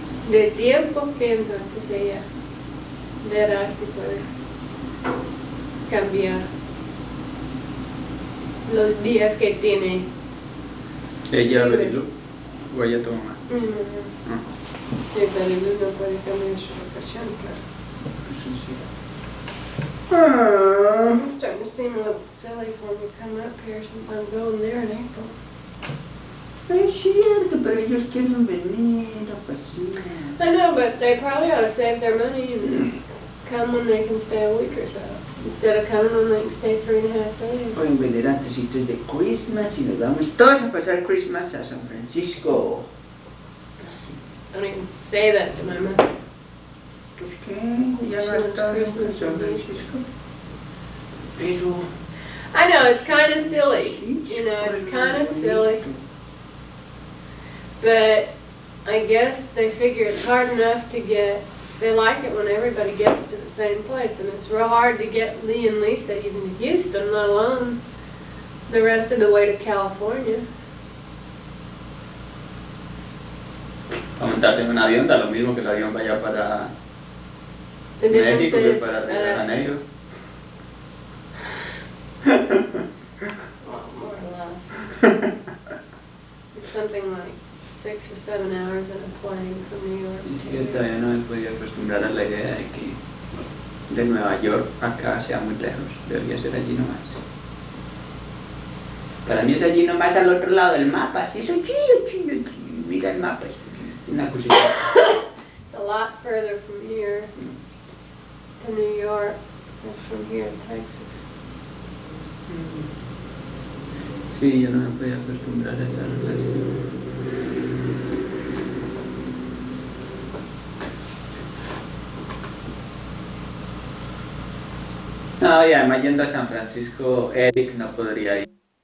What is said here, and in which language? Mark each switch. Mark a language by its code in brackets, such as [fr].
[es] De tiempo que entonces ella verá si puede cambiar los días que tiene. ¿Ella ha venido? ¿O ella tu mamá? Mi mamá. Y el peligro no puede cambiar su vocación, claro. Sí, sí. [en] It's starting to seem a little silly for me to come up here since I'm going there in April. [es] Es cierto, pero ellos quieren venir a pasear. [en] I know, but they probably ought to save their money and come when they can stay a week or so. Instead of coming when they can stay 3.5 days. [es] Pueden venir antes de Christmas y nos vamos todos a pasar Christmas a San Francisco. [en] I don't even say that to my mom. [es] Pues que ya no está en [en] San Francisco. I know, it's kind of silly. You know, it's kind of silly. But I guess they figure it's hard enough to get. They like it when everybody gets to the same place. And it's real hard to get Lee and Lisa even to Houston, let alone the rest of the way to California. [es] Pues sí. a montarte en un avión, da lo mismo que el avión vaya para México, que para Río de Janeiro. [en] Something like 6 or 7 hours in a plane from New York. [es] Yo todavía no me podía acostumbrar a la idea de que de Nueva York acá sea muy lejos. Debería ser allí nomás. Para mí es allí nomás al otro lado del mapa. Sí, eso chillo, chillo, chillo. Mira el mapa. Es una cosita. [en] It's a lot further from here to New York than from here to Texas. [es] Sí, yo no me podía acostumbrar a esa relación. No, y además yendo a San Francisco, Eric no podría ir.